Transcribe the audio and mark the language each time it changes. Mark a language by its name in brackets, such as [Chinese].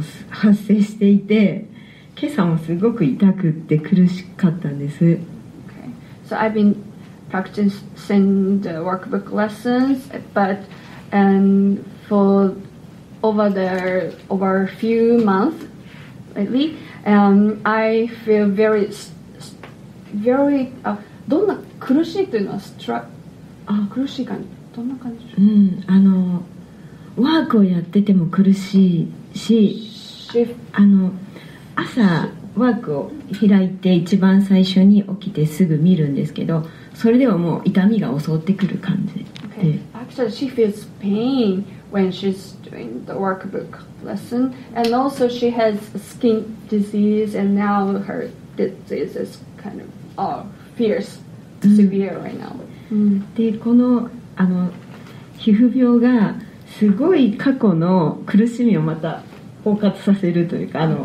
[Japanese] 発生していて、今朝もすごく痛くって苦しかったんです。 [English] Okay. So I've been practicing the workbook lessons, but for over a few months lately, I feel very, very, [Japanese] どんな苦しいというのはあ、苦しい感じ。どんな感じでしょう。うん、ワークをやってても苦しいし、朝ワークを開いて一番最初に起きてすぐ見るんですけど、それでももう痛みが襲ってくる感じで。 [English] Okay. Actually, she feels pain when she's doing the workbook lesson, and also she has skin disease, and now her disease is kind of fierce, severe right now. [Japanese] でこの皮膚病がすごい過去の苦しみをまた包括させるというか、